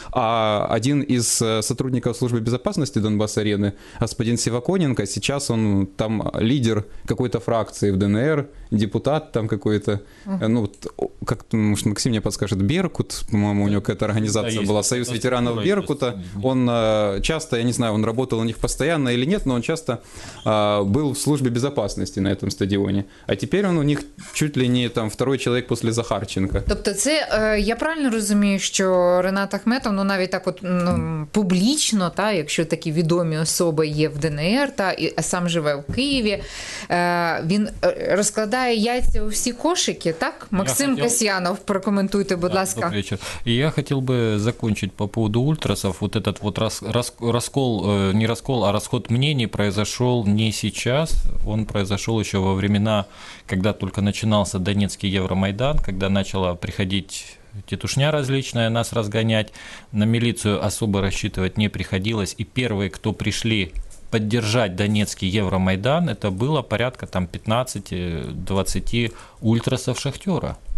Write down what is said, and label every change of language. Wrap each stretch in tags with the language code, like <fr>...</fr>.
<ru>А один из сотрудников службы безопасности Донбасс-арены, господин Сиваконенко, сейчас он там лидер какой-то фракции в ДНР, депутат там какой-то, ну, как, может, Максим мне подскажет, Беркут, по-моему, у него какая-то организация была, Союз ветеранов Беркута, он часто, я не знаю, он работал у них постоянно или нет, но он часто был в службе безопасности на этом стадионе. А теперь он у них чуть ли не там второй человек после Захарченко.</ru> <uk>Тобто це, я правильно розумію, що Ренат Ахметов, ну навіть так от, ну, публічно, та, якщо такі відомі особи є в ДНР, та, і сам живе в Києві, він розкладає яйця у всі кошики, так? Максим Касьянов, прокоментуйте, будь ласка. Добрий вечір. І я хотів би закінчити по поводу ультрасів.</uk> <ru>Вот этот вот раскол, не раскол, а расход мнений произошел не сейчас. Он произошел еще во времена, когда только начинался Донецкий Евромайдан, когда начала приходить тетушня различная нас разгонять. На милицию особо рассчитывать не приходилось. И первые, кто пришли поддержать Донецкий Евромайдан, это было порядка там 15-20 ультрасов Шахтера.</ru>